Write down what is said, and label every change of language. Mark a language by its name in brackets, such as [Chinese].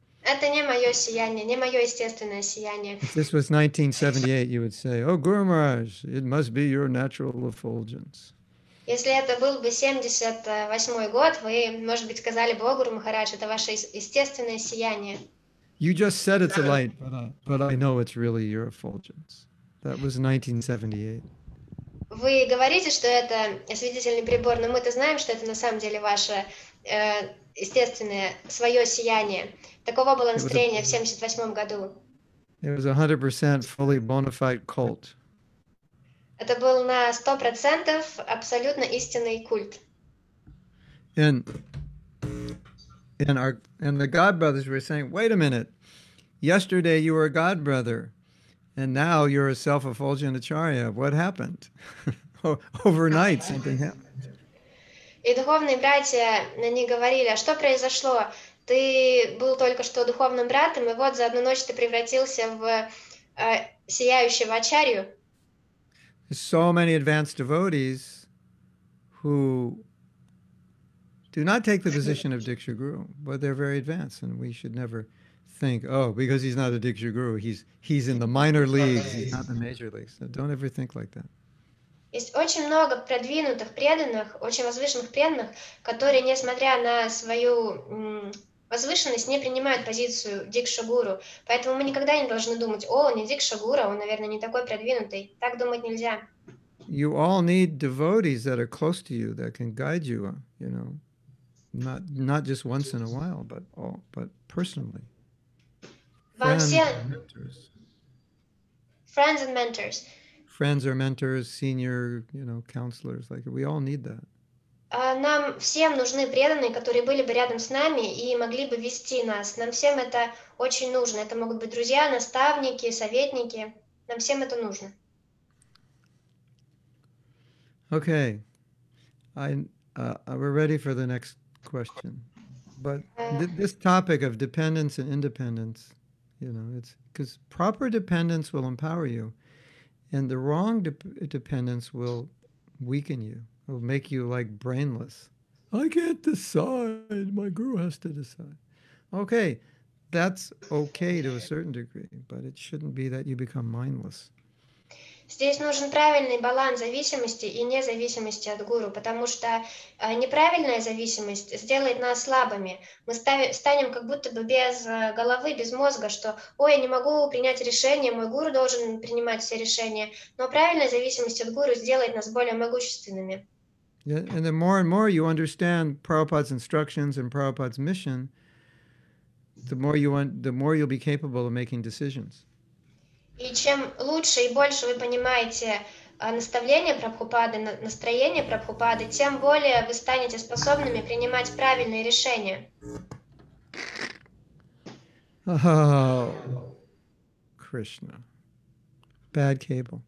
[Russian] Это не мое сияние, не мое естественное сияние. [English] If this was 1978, you would say, oh, Guru Maharaj, it must be your natural effulgence. [Russian] Если это был бы 78-й год, вы, может быть, сказали бы, о, Гуру Махарадж, это ваше естественное сияние. [English] You just said it's a light, but I know it's really your effulgence. That was 1978. [Russian] Вы говорите, что это осветительный прибор, но мы-то знаем, что это на самом деле ваше естественное, свое сияние. Таково было настроение в 78 году. [English] It was 100% fully bona fide cult. [Russian] Это был на 100% абсолютно истинный культ. [English] And the God brothers were saying, wait a minute, yesterday you were a God brother. And now you're a self-effulgent acharya. What happened? Overnight, something happened. [Russian] И духовные братья на них говорили: а что произошло? Ты был только что духовным братом, и вот за одну ночь ты превратился в сияющего ачарью. [English] So many advanced devotees who do not take the position of Diksha Guru, but they're very advanced, and we should never think, oh, because he's not a Diksha Guru, he's in the minor leagues, he's not in the major leagues. So don't ever think like that. [Russian] Есть очень много продвинутых преданных, очень возвышенных преданных, которые, несмотря на свою возвышенность, не принимают позицию Дикша Гуру. Поэтому мы никогда не должны думать, о, он не Дикша Гуру, он, наверное, не такой продвинутый. Так думать нельзя. [English] You all need devotees that are close to you, that can guide you, you know, not just once in a while, but personally. Friends and mentors. friends or mentors, senior, you know, counselors. Like, we all need that. [Russian] Нам всем нужны преданные, которые были бы рядом с нами и могли бы вести нас. Нам всем это очень нужно. Это могут быть друзья, наставники, советники. Нам всем это нужно. [English] Okay. We're ready for the next question. But this topic of dependence and independence, you know, it's because proper dependence will empower you, and the wrong dependence will weaken you, will make you like brainless. I can't decide. My guru has to decide. Okay, that's okay to a certain degree, but it shouldn't be that you become mindless. [Russian] Здесь нужен правильный баланс зависимости и независимости от гуру, потому что неправильная зависимость сделает нас слабыми. Мы станем как будто бы без головы, без мозга, что «Ой, я не могу принять решение, мой гуру должен принимать все решения». Но правильная зависимость от гуру сделает нас более могущественными. [English] Yeah, and the more and more you understand Prabhupada's instructions and Prabhupada's mission, the more you'll be capable of making decisions. [Russian] И чем лучше и больше вы понимаете наставления Прабхупады, настроение Прабхупады, тем более вы станете способными принимать правильные решения. [English] Oh, Krishna. Bad cable.